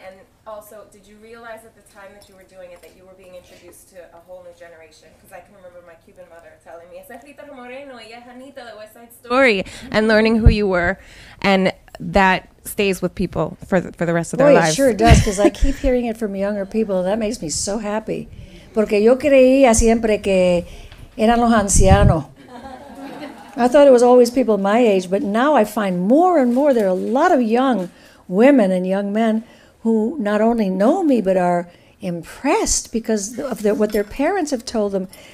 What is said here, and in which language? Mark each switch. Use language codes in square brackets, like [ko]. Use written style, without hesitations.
[en] And also, did you realize at the time that you were doing it that you were being introduced to a whole new generation? Because I can remember my Cuban mother telling me, [es] "Esa Rita Moreno, ella Janita, [en] the West Side Story," and learning who you were. And that stays with people for the rest of their lives. It sure does, because I keep hearing it from younger people. That makes me so happy. [es] Porque yo creía siempre que eran los ancianos. [en] I thought it was always people my age, but now I find more and more there are a lot of young women and young men who not only know me, but are impressed because of what their parents have told them.